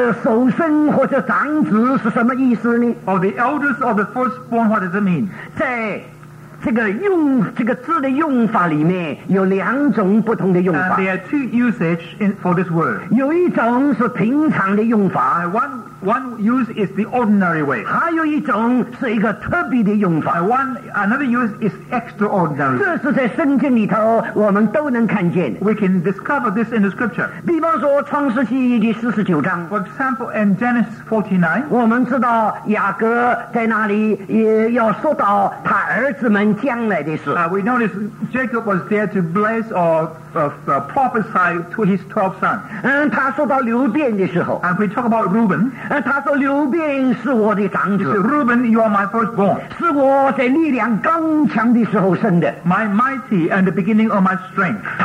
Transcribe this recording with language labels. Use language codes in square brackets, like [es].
[zh] 那么这个首生或者长子是什么意思呢? [en] Or the eldest or the firstborn, what does it mean? [zh] 在这个字的用法里面有两种不同的用法。 [en] And there are two usage for this word. [zh] 有一种是平常的用法。 [en] One use is the ordinary way. [zh] 还有一种是一个特别的用法。 [en] Another use is extraordinary. [zh] 这是在圣经里头我们都能看见。 [en] We can discover this in the scripture. [zh] 比方说创世纪第49章。 [en] For example, in Genesis 49, [zh] 我们知道雅各在那里也要说到他儿子们将来的事。 [en] We notice Jacob was there to bless or prophesy to his 12 sons. [zh] 他说到流便的时候。 [en] And we talk about Reuben. [zh] 他说刘辩是我的长子。 [en] He said, Reuben, you are my firstborn. [zh] 是我在力量刚强的时候生的。 [en] My mighty and the beginning of my strength.